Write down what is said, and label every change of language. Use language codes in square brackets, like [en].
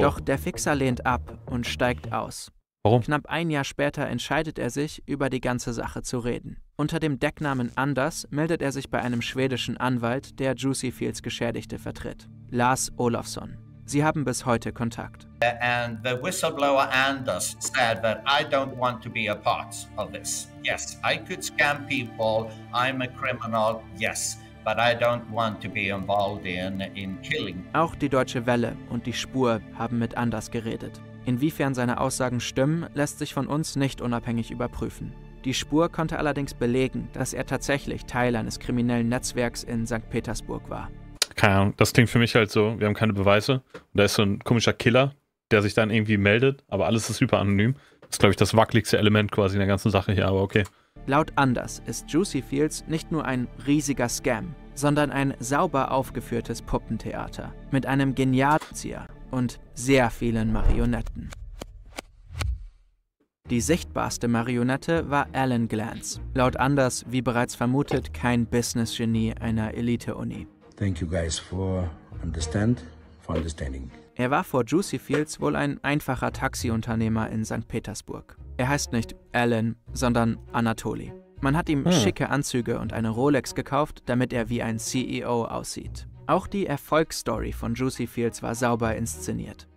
[de] Doch der Fixer lehnt ab und steigt aus. Warum? Knapp ein Jahr später entscheidet er sich, über die ganze Sache zu reden. Unter dem Decknamen Anders meldet er sich bei einem schwedischen Anwalt, der Juicy Fields Geschädigte vertritt. Lars Olofsson. Sie haben bis heute Kontakt. [en] And the whistleblower Anders said that I don't want to be a part of this. Yes, I could scam people, I'm a criminal, yes, but I don't want to be involved in killing. [de] Auch die Deutsche Welle und die Spur haben mit Anders geredet. Inwiefern seine Aussagen stimmen, lässt sich von uns nicht unabhängig überprüfen. Die Spur konnte allerdings belegen, dass er tatsächlich Teil eines kriminellen Netzwerks in St. Petersburg war. Keine Ahnung, das klingt für mich halt so, wir haben keine Beweise. Und da ist so ein komischer Killer, der sich dann irgendwie meldet, aber alles ist super anonym. Das ist, glaube ich, das wackeligste Element quasi in der ganzen Sache hier, aber okay. Laut Anders ist Juicy Fields nicht nur ein riesiger Scam, sondern ein sauber aufgeführtes Puppentheater mit einem Genialzieher und sehr vielen Marionetten. Die sichtbarste Marionette war Alan Glantz. Laut Anders, wie bereits vermutet, kein Business-Genie einer Elite-Uni. [en] Thank you guys for understanding. [de] Er war vor Juicy Fields wohl ein einfacher Taxiunternehmer in St. Petersburg. Er heißt nicht Alan, sondern Anatoli. Man hat ihm schicke Anzüge und eine Rolex gekauft, damit er wie ein CEO aussieht. Auch die Erfolgsstory von Juicy Fields war sauber inszeniert.